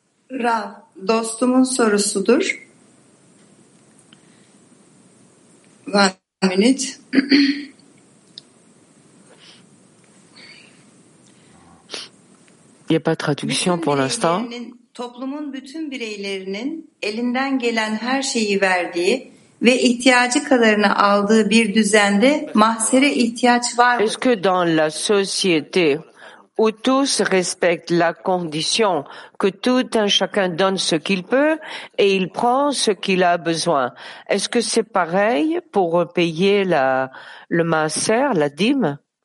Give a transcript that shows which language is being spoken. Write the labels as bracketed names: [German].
[Turkish] Ra, dostumun sorusudur. [English] One minute. [French] Il n'y a pas de traduction pour l'instant. [Turkish] Toplumun bütün bireylerinin elinden gelen her şeyi verdiği ve ihtiyacı kadarını aldığı bir düzende mahsere ihtiyaç var. [French] Est-ce que dans la société où tous respectent la condition que tout un chacun donne ce qu'il peut et il prend ce qu'il a besoin. Est-ce que c'est pareil pour payer le maaser, la dîme?